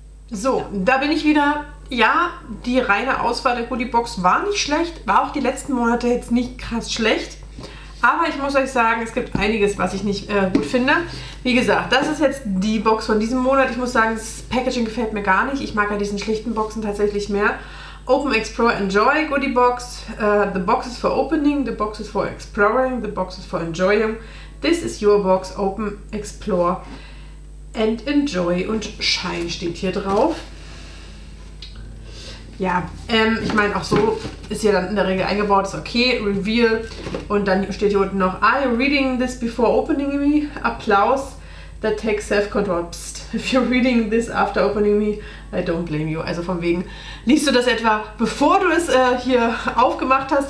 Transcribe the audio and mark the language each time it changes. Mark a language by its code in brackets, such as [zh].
[de] So, da bin ich wieder. Ja, die reine Auswahl der Goodiebox war nicht schlecht, war auch die letzten Monate jetzt nicht krass schlecht. Aber ich muss euch sagen, es gibt einiges, was ich nicht gut finde. Wie gesagt, das ist jetzt die Box von diesem Monat. Ich muss sagen, das Packaging gefällt mir gar nicht. Ich mag ja diesen schlichten Boxen tatsächlich mehr. [en] Open Explore Enjoy Goodie Box. The box is for opening, the box is for exploring, the box is for enjoying. This is your box. Open, explore and enjoy. [de] Und Shine steht hier drauf. Ja, ich meine, auch so ist hier dann in der Regel eingebaut. Ist okay. Reveal. Und dann steht hier unten noch: [en] Are you reading this before opening me? Applause that takes self-control. Psst. If you're reading this after opening me, I don't blame you. [de] Also von wegen, liest du das etwa, bevor du es hier aufgemacht hast?